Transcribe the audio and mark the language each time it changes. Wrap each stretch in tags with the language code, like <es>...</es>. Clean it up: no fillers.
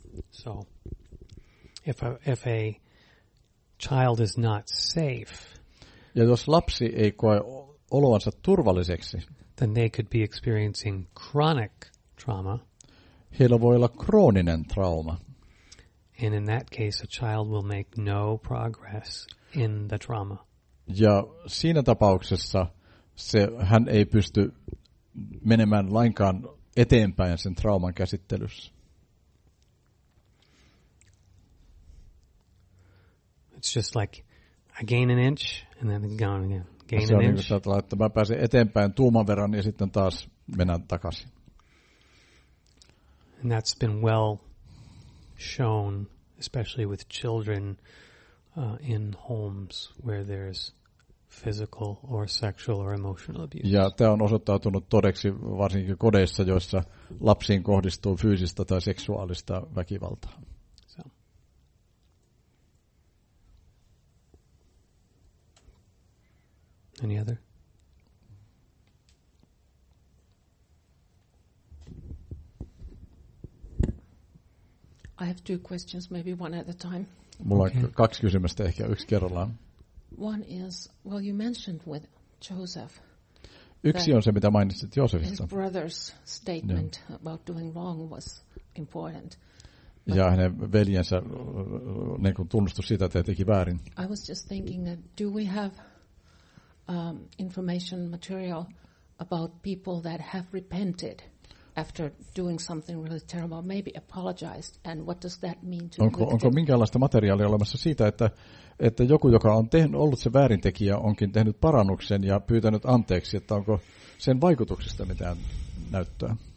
<en>So, if a child is not safe.</en> <fi>Ja jos lapsi ei koe oloansa turvalliseksi,</fi> <en>then they could be experiencing chronic trauma.</en> <fi>Heillä voi olla krooninen trauma.</fi> <en>And in that case, a child will make no progress in the trauma.</en> <fi>Ja siinä tapauksessa se hän ei pysty menemään lainkaan eteenpäin sen trauman käsittelyssä.</fi> <en>It's just like I gain an inch and then it's gone again. Gain an inch.</en> <fi>Se on niin, että mä pääsen eteenpäin tuuman verran ja sitten taas mennään takaisin.</fi> <en>And that's been well shown, especially with children in homes where there's physical or sexual or emotional abuse.</en> <fi>Ja tämä on osoittautunut todeksi varsinkin kodeissa, joissa lapsiin kohdistuu fyysistä tai seksuaalista väkivaltaa.</fi> <en>So. Any other? I have two questions, maybe one at a time.</en> <fi>Mulla on kaksi kysymystä ehkä yksi kerrallaan.</fi> <en>One is, well, you mentioned with Joseph.</en> <fi>Yksi on se, mitä mainitsit Joosefista.</fi> <en>His brother's statement about doing wrong was important.</en> <fi>Ja hänen veljensä niin kuin tunnustus siitä, että teki väärin.</fi> <en>I was just thinking that do we have information material about people that have repented after doing something really terrible, maybe apologized, and what does that mean to</en> <fi>onko, onko minkäänlaista materiaalia olemassa siitä, että joku, joka on ollut se väärintekijä, onkin tehnyt parannuksen ja pyytänyt anteeksi, että onko sen vaikutuksista mitään näyttöä?</fi>